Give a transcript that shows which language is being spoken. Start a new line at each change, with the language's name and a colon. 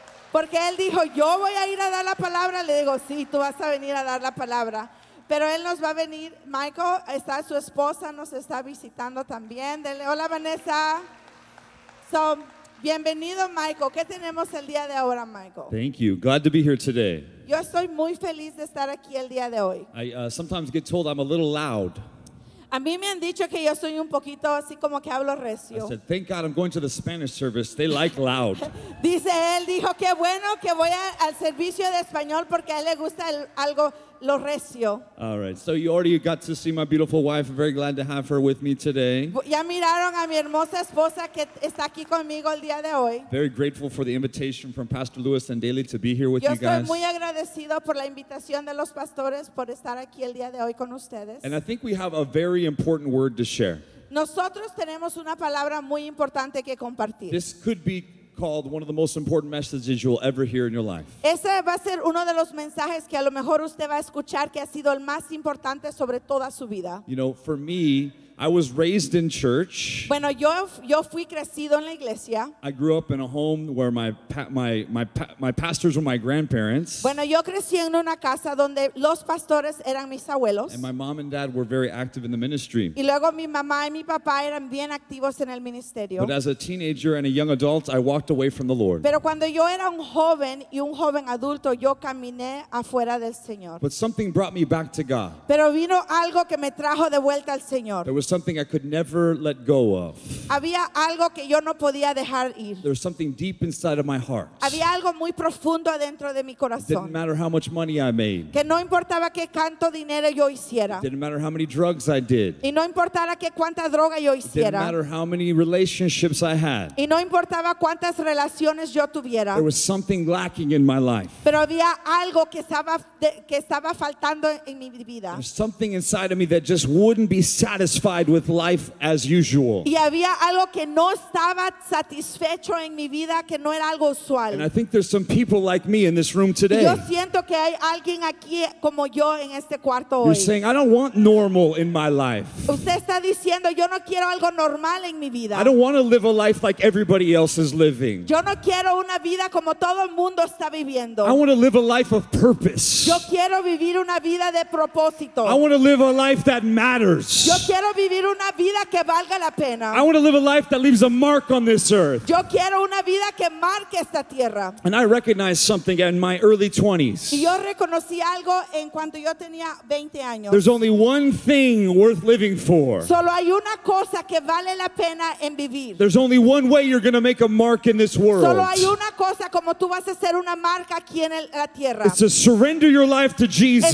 Spanish: Porque él dijo, yo voy a ir a dar la palabra. Le digo, sí, tú vas a venir a dar la palabra. Pero él nos va a venir. Michael, está su esposa, nos está visitando también. Dele, hola, Vanessa.
English: So,
Spanish: bienvenido, Michael. ¿Qué tenemos el día de ahora, Michael?
English: Thank you. Glad to be here today.
Spanish: Yo estoy muy feliz de estar aquí el día de hoy.
English: I sometimes get told I'm a little loud.
Spanish: A mí me han dicho que yo soy un poquito así como que hablo recio.
English: I said, thank God I'm going to the Spanish service. They like loud.
Spanish: Dice él, dijo, qué bueno que voy al servicio de español porque a él le gusta algo lo recio.
English: All right. So you already got to see my beautiful wife. I'm very glad to have her with me today.
Spanish: Ya miraron a mi hermosa esposa que está aquí conmigo el día de hoy.
English: Very grateful for the invitation from Pastor Lewis and Daly to be here with yo you guys.
Spanish: Yo estoy muy agradecido por la invitación de los pastores por estar aquí el día de hoy con ustedes.
English: And I think we have a very important word to share.
Spanish: Nosotros tenemos una palabra muy importante que compartir.
English: This could be called one of the most important messages you'll ever hear in your life.
Spanish: Ese va a ser uno de los mensajes que a lo mejor usted va a escuchar que ha sido el más importante sobre toda su vida.
English: You know, for me, I was raised in church.
Spanish: Bueno, yo fui crecido en la iglesia.
English: I grew up in a home where my pastors were my grandparents.
Spanish: Bueno, yo crecí en una casa donde los pastores eran mis abuelos.
English: And my mom and dad were very active in the ministry.
Spanish: Y luego mi mamá y mi papá eran bien activos en el ministerio.
English: But as a teenager and a young adult, I walked away from the Lord.
Spanish: Pero cuando yo era un joven y un joven adulto, yo caminé afuera del Señor.
English: But something brought me back to God.
Spanish: Pero vino algo que me trajo de vuelta al Señor.
English: Was something I could never let go of.
Spanish: Había algo que yo no podía dejar ir.
English: There was something deep inside of my heart.
Spanish: Había algo muy profundo adentro de mi corazón.
English: Didn't matter how much money I made.
Spanish: Que no importaba qué tanto dinero yo hiciera.
English: Didn't matter how many drugs I did.
Spanish: Y no importara qué cuánta droga yo hiciera.
English: Didn't matter how many relationships I had.
Spanish: Y no importaba cuántas relaciones yo tuviera.
English: There was something lacking in my life.
Spanish: Pero había algo que estaba faltando en mi vida.
English: There was something inside of me that just wouldn't be satisfied with life as usual.
Spanish: Y había algo que no estaba satisfecho en mi vida, que no era algo usual.
English: And I think there's some people like me in this room today.
Spanish: Yo siento que hay alguien aquí como yo en este cuarto hoy.
English: You're saying, I don't want normal in my life.
Spanish: Usted está diciendo, yo no quiero algo normal en mi vida.
English: I don't want to live a life like everybody else is living.
Spanish: Yo no quiero una vida como todo el mundo está viviendo.
English: I want to live a life of purpose.
Spanish: Yo quiero vivir una vida de propósito.
English: I want to live a life that matters.
Spanish: Yo quiero vivir una vida que valga la pena.
English: I want to live a life that leaves a mark on this earth.
Spanish: Yo quiero una vida que marque esta tierra.
English: And I recognized something in my early 20s.
Spanish: Y yo reconocí algo en cuanto yo tenía 20 años.
English: There's only one thing worth living for.
Spanish: Solo hay una cosa que vale la pena en vivir.
English: There's only one way you're going to make a mark in this world.
Spanish: Solo hay una cosa como tú vas a hacer una marca aquí en la tierra.
English: It's to surrender your life to Jesus.